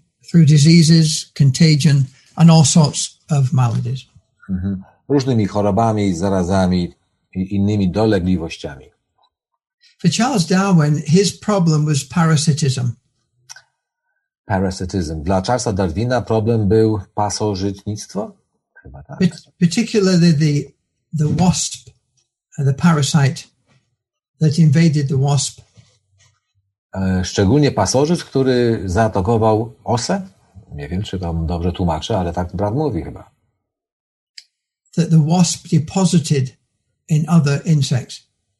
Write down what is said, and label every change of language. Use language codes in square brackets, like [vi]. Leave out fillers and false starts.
[en] through diseases, contagion and all sorts of maladies. [pl] Różnymi chorobami, zarazami i innymi dolegliwościami. [en] For Charles Darwin, his problem was parasitism. Parasitism. [pl] Dla Charlesa Darwina problem był pasożytnictwo? Chyba tak. [en] Particularly the wasp, the parasite that invaded the wasp. [pl] Szczególnie pasożyt, który zaatakował osę? Nie wiem, czy tam dobrze tłumaczę, ale tak brat mówi chyba. [en] That the wasp deposited in other insects.